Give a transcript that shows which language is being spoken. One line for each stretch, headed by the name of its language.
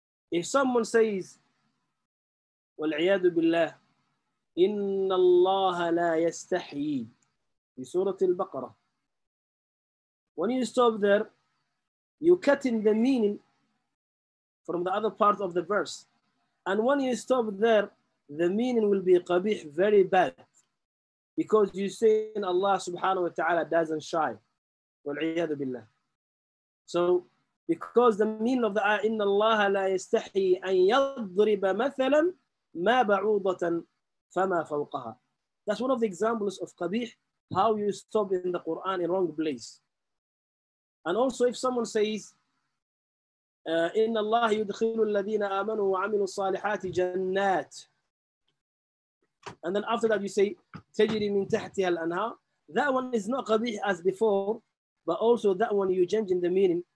English: If someone says,
Arabic: وَالْعِيَادُ بِاللَّهِ إِنَّ اللَّهَ لَا يَسْتَحْيِي في سورة البقرة,
English: when you stop there, you cut in the meaning from the other part of the verse. And when you stop there, the meaning will be قبيح, very bad. Because you say in Allah subhanahu wa ta'ala doesn't shy.
Arabic: وَالْعِيَادُ بِاللَّهِ.
English: So, because the meaning of the ayah,
Arabic: إِنَّ اللَّهَ لَا يَسْتَحْيِي أَنْ يَضْرِبَ مَثَلًا مَا بَعُوضَةً فَمَا فَوْقَهَا.
English: That's one of the examples of قبيح, how you stop in the Quran in wrong place. And also if someone says,
Arabic: إِنَّ اللَّهَ يُدْخِلُ الَّذِينَ آمَنُوا وَعَمِلُوا الصَّالِحَاتِ جَنَّاتٍ,
English: and then after that you say,
Arabic: تَجْرِي مِنْ تَحْتِهَا الْأَنْهَارِ,
English: that one is not قبيح as before, but also that one you change in the meaning.